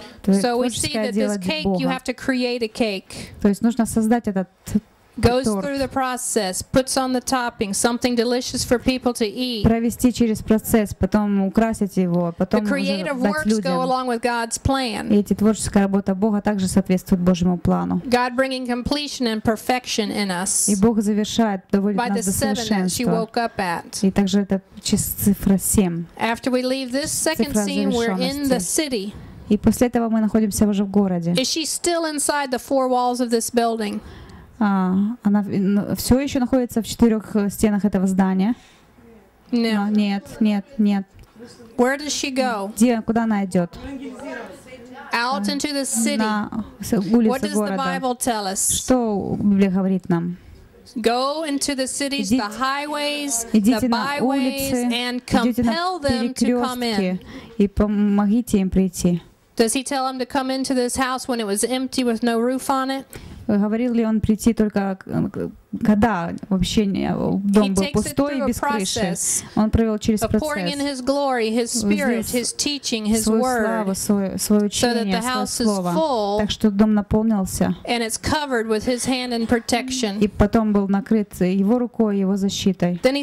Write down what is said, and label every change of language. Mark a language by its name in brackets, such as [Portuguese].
[English] So we see that this cake, you have to create a cake. [Russian] То есть нужно создать этот торт. [English] Goes through the process, puts on the topping, something delicious for people to eat. [Russian] Провести через процесс, потом украсить его, потом уже дать людям. [English] The creative works go along with God's plan. [Russian] И эти творческая работа Бога также соответствует Божьему плану. [English] God bringing completion and perfection in us. [Russian] И Бог завершает, доводит нас до совершенства. [English] By the seven that she woke up at. [Russian] И также это цифра семь. [English] After we leave this second scene, we're in the city. [Russian] И после этого мы находимся уже в городе. [English] Is she still inside the four walls of this building? [Russian] Она все еще находится в четырех стенах этого здания. [English] No. No, [Russian] нет, нет, нет. [English] Where does she go? [Russian] Где, куда она идет? [English] Out into the city. [Russian] На улицу города. [English] What does the Bible tell us? [Russian] Что Библия говорит нам? [English] Go into the cities, the highways, [Russian] идите [English] the byways, and compel them to come in. [Russian] И помогите им прийти. [English] Does he tell them to come into this house when it was empty with no roof on it? [Russian] Говорил ли он прийти только когда вообще дом был пустой и без крыши? Он провел через процесс. Свою славу, свое учение, свое слово. Так что дом наполнился. И потом был накрыт его рукой, его защитой.